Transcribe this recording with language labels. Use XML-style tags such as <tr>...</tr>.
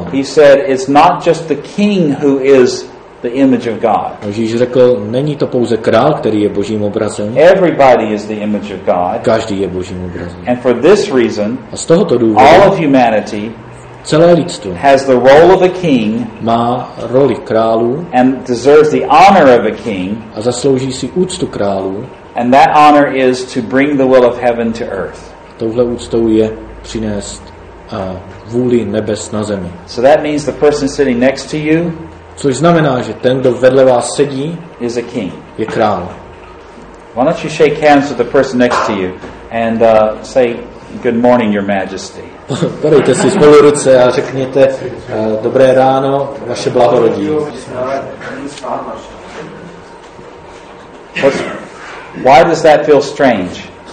<en>He said, it's not just the king who is the image of God.</en> <cs>Ježíš řekl, není to pouze král, který je Božím obrazem.</cs> <en>Everybody is the image of God.</en> <cs>Každý je Božím obrazem.</cs> <en>And for this reason,</en> <cs>a z tohoto důvodu,</cs> <en>all of humanity,</en> <cs>celé lidstvo,</cs> <en>has the role of a king,</en> <cs>má roli králu,</cs> <en>and deserves the honor of a king,</en> <cs>a zaslouží si úctu králu,</cs> <en>and that honor is to bring the will of heaven to earth.</en> <cs>Touhle úctou je přinést vůli nebes na zemi.</cs> <en>So that means the person sitting next to you,</en> <cs>což znamená, že ten, kdo vedle vás sedí,</cs> <en>is a king,</en> <cs>je král.</cs> <en>Why don't you shake hands with the person next to you and say good morning, your majesty.</en> <cs>Podejte si spolu ruce a řekněte dobré ráno, vaše blaholodí.</cs> <en>Why does that feel strange?</en>